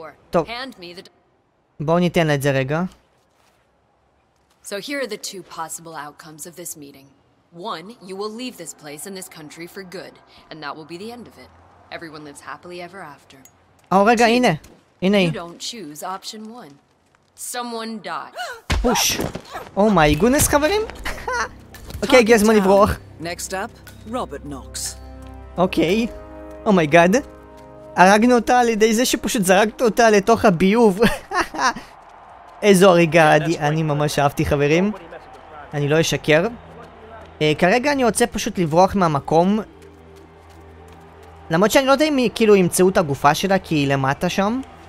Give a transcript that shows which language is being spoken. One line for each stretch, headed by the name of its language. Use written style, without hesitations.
Hebrew: טוב, בואו ניתן לה את זה רגע.
English: So here are the two possible outcomes of this meeting. One, you will leave this place and this country for good, and that will be the end of it. Everyone lives happily ever after.
Hebrew: או רגע, הנה. הנה היא.
English: You don't choose option one. Someone die.
Hebrew: פוש. או מיי גונס חברים. אוקיי, הגיע הזמן לברוח.
English: Next up, Robert Knox. אוקיי. Oh my god.
Hebrew: הרגנו אותה על ידי זה שפשוט זרקת אותה לתוך הביוב. איזו הריגה, אני ממש אהבתי חברים. אני לא אשקר. כרגע אני רוצה פשוט לברוח מהמקום. למרות שאני לא יודע אם כאילו ימצאו את הגופה שלה כי היא למטה שם.